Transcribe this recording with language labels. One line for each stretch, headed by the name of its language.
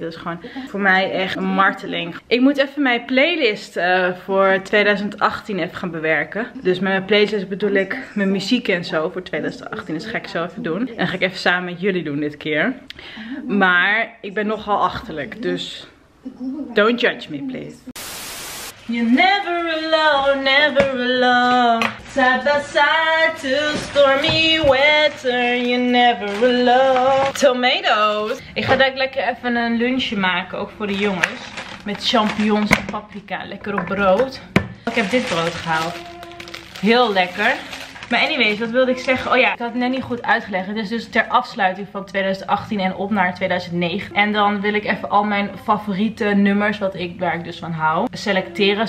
Dutch: Dat is gewoon voor mij echt een marteling. Ik moet even mijn playlist voor 2018 even gaan bewerken. Dus met mijn playlist bedoel ik mijn muziek en zo voor 2018. Dat ga ik zo even doen. En dat ga ik even samen met jullie doen dit keer. Maar ik ben nogal achterlijk.
English: Dus don't judge me, please. You're never alone, never alone. Side by side to stormy weather. You're never alone. Tomatoes.
Dutch: Ik ga daar lekker even een lunchje maken, ook voor de jongens. Met champignons en paprika. Lekker op brood. Ik heb dit brood gehaald. Heel lekker. Maar anyways, wat wilde ik zeggen? Oh ja, ik had het net niet goed uitgelegd. Het is dus ter afsluiting van 2018 en op naar 2009. En dan wil ik even al mijn favoriete nummers, waar ik dus van hou, selecteren.